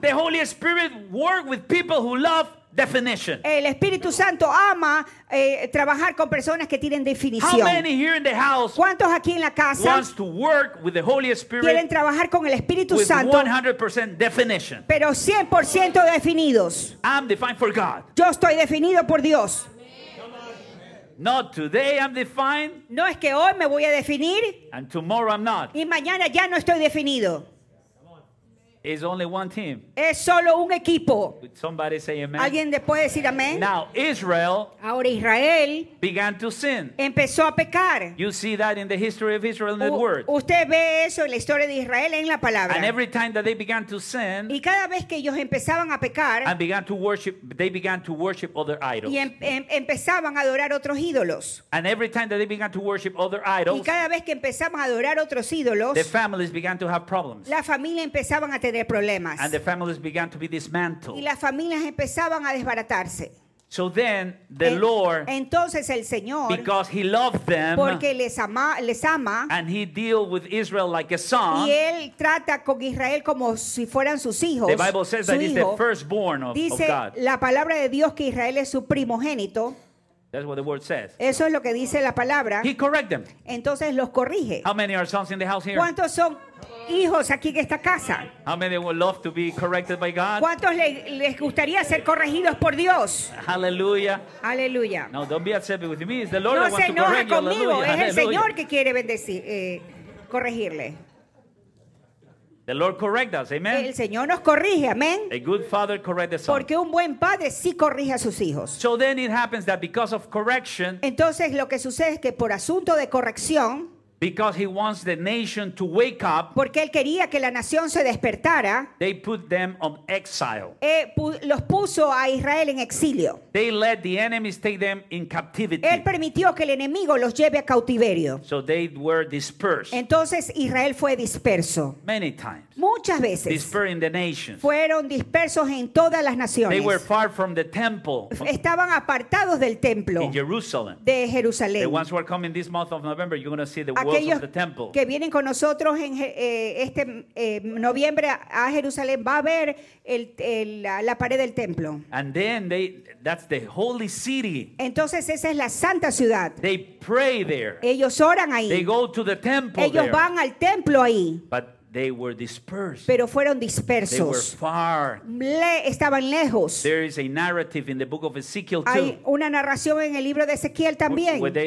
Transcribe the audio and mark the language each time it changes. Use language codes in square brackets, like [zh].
[en] The Holy Spirit works with people who love definition. [es] El Espíritu Santo ama trabajar con personas que tienen definición. [en] How many here in the house? [es] ¿Cuántos aquí en la casa? [en] Wants to work with the Holy Spirit. [es] Quieren trabajar con el Espíritu [en] with [es] Santo. [en] 100% definition. [es] Pero 100% definidos. [en] I'm defined for God. [es] Yo estoy definido por Dios. [en] Not today I'm defined. [es] No es que hoy me voy a definir. [en] And tomorrow I'm not. [es] Y mañana ya no estoy definido. [en] It's only one team. [es] Es solo un equipo. [en] Would somebody say amen? [es] ¿Alguien puede decir amén? [en] Now Israel, [es] ahora Israel [en] began to sin. [es] Empezó a pecar. [en] You see that in the history of Israel in the word. [es] Usted ve eso en la historia de Israel en la palabra. [en] And every time that they began to sin, [es] y cada vez que ellos empezaban a pecar, [en] and began to worship, they began to worship other idols. [es] Y empezaban a adorar otros ídolos. [en] And every time that they began to worship other idols, [es] y cada vez que empezaban a adorar otros ídolos, [en] the families began to have problems. [es] La familia empezaban a tener problemas. [en] And the families began to be dismantled. [es] Y las familias empezaban a desbaratarse. [en] So then the Lord, [es] entonces el Señor, [en] because he loved them, [es] porque les ama, [en] and he deal with Israel like a son, [es] y él trata con Israel como si fueran sus hijos, [en] the Bible says that he's the firstborn of God. [es] Dice la palabra de Dios que Israel es su primogénito. [en] That's what the word says. [es] Eso es lo que dice la palabra. [en] He correct them. [es] Entonces los corrige. [en] How many are sons in the house here? [es] ¿Cuántos son hijos aquí en esta casa? [en] How many would love to be corrected by God? [es] ¿Cuántos les gustaría ser corregidos por Dios? Hallelujah. Hallelujah. [en] No, don't be upset with me. It's the Lord who wants to correct you. [es] No se enoje conmigo. Hallelujah. Es el Señor que quiere bendecir, corregirle. [en] The Lord correct us, amen. [es] El Señor nos corrige, amén. [en] A good father corrects the son. [es] Porque un buen padre sí corrige a sus hijos. [en] So then it happens that because of correction. [es] Entonces lo que sucede es que por asunto de corrección. [en] Because he wants the nation to wake up. [es] Porque él quería que la nación se despertara. [en] They put them on exile. [es] Los puso a Israel en exilio. [en] They let the enemies take them in captivity. [es] Él permitió que el enemigo los lleve a cautiverio. [en] So they were dispersed. [es] Entonces Israel fue disperso. [en] Many times. [es] Muchas veces. [en] Dispersed in the nations. [es] Fueron dispersos en todas las naciones. [en] They were far from the temple. [es] Estaban apartados del templo. [en] In Jerusalem. [es] De Jerusalén. [en] The ones who are coming this month of November, you're going to see the [es] aquellos [en] of the temple. [es] Que vienen con nosotros en noviembre a Jerusalén va a ver la pared del templo. [en] And then that's the holy city. [es] Entonces esa es la santa ciudad. [en] They pray there. [es] Ellos oran ahí. [en] They go to the temple. [es] Ellos [en] there. [es] Van al templo ahí. [en] But they were dispersed. [es] Pero fueron dispersos. [en] They were far. [es] Estaban lejos. [en] There is a narrative in the book of Ezekiel too. [es] Hay una narración en el libro de Ezequiel también.